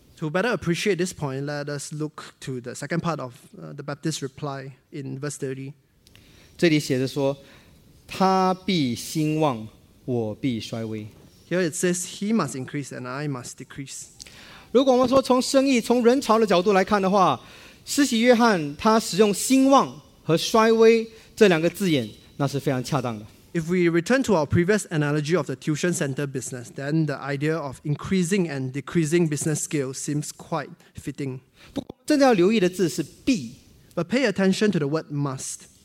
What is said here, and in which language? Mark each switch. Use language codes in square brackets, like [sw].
[en] To better appreciate this point, let us look to the second part of the Baptist's reply in verse 30. [zh] 这里写着说，他必兴旺，我必衰微。 [en] Here it says, He must increase and I must decrease. [zh] 如果我们说从生意、从人潮的角度来看的话，施洗约翰他使用兴旺和衰微。 [en] If we return to our previous analogy of the tuition center business, then the idea of increasing and decreasing business skills seems quite fitting. But pay attention to the word must.